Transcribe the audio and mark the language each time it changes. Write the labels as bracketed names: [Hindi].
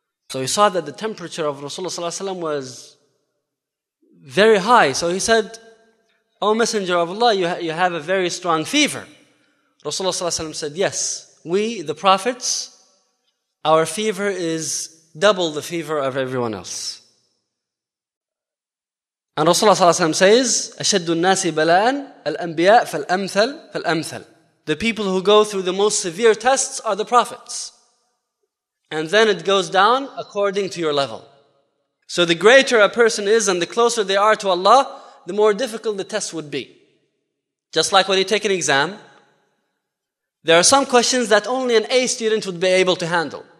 [English] So he saw that the temperature of Rasulullah sallallahu alayhi wa sallam was very high. So he said, O Messenger of Allah, you have a very strong fever. Rasulullah sallallahu alayhi wa sallam said, yes, we, the prophets, our fever is double the fever of everyone else. [Arabic] أن رسول الله صلى الله عليه وسلم [English] says [Arabic] أشد الناس بلاء الأنبياء فالأمثل فالأمثل. [English] The people who go through the most severe tests are the prophets. And then it goes down according to your level. So the greater a person is and the closer they are to Allah, the more difficult the test would be. Just like when you take an exam, there are some questions that only an A student would be able to handle.